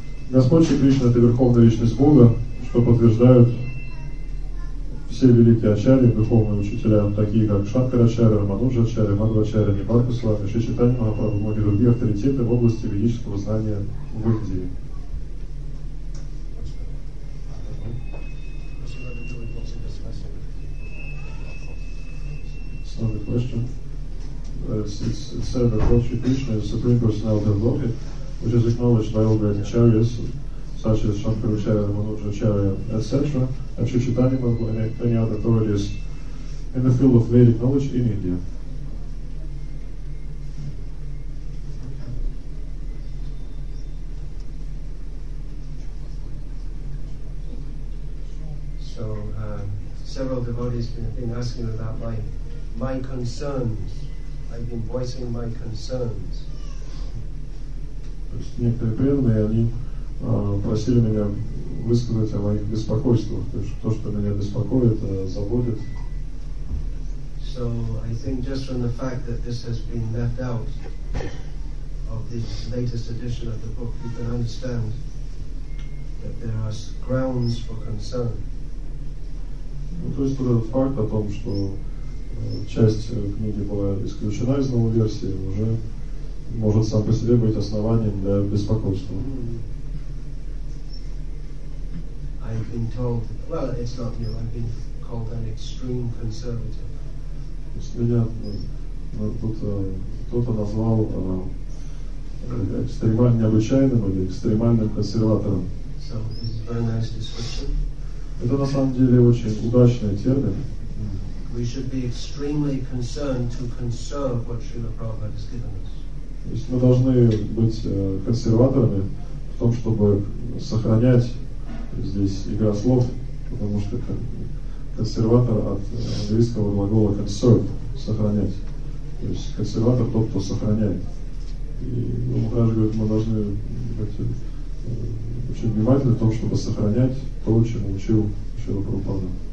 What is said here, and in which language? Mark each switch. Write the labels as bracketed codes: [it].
[ru] Господь Шри Кришна – это Верховная Личность Бога, что подтверждают все великие ачарьи, духовные учителя, такие как Шанкар Ачарья, Рамануджа Ачарья, Мадхва Ачарья, Нибарка Свами, Шри Чайтанья Махапрабху, многие другие авторитеты в области ведического знания в Индии. [en] Which is acknowledged by all great acharyas, such as Shankara Acharya, Ramanuja Acharya, etc., and Sri Chaitanya Mahaprabhu and many other authorities in the field of Vedic knowledge in India. So, several devotees have been asking about my concerns. I've been voicing my concerns. [ru] То есть некоторые преданные, они просили меня высказать о моих беспокойствах, то есть то, что меня беспокоит, заботит. [en] So I think just from the fact that this has been left out of this latest edition of the book, you can understand that there are grounds for concern. [ru] Ну, то есть этот факт о том, что часть книги была исключена из новой версии, уже может сам по себе быть основанием для беспокойства. [en] I've been told, well, it's not new, I've been called an extreme conservative. [ru] Меня тут кто-то назвал экстремально необычайным или экстремальным консерватором. [en] So, it's a very nice description. [ru] Это на самом деле очень удачный термин. [en] We should be extremely concerned to conserve what Srila Prabhupada has given us. [ru] То есть мы должны быть консерваторами в том, чтобы сохранять здесь игра слов, потому что консерватор от английского глагола conserve – сохранять. То есть консерватор – тот, кто сохраняет. И Махарадж говорит, мы должны быть очень внимательны в том, чтобы сохранять то, чему учил Шрила Прабхупада.